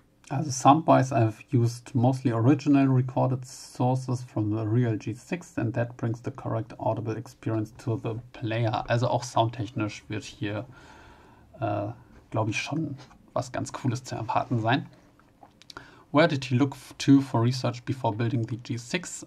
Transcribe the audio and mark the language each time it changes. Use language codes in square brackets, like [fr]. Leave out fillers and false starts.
[en] Also some boys I've used mostly original recorded sources from the Real G6 and that brings the correct audible experience to the player. [de] Also auch soundtechnisch wird hier, glaube ich, schon was ganz Cooles zu erwarten sein. [en] Where did he look to for research before building the G6?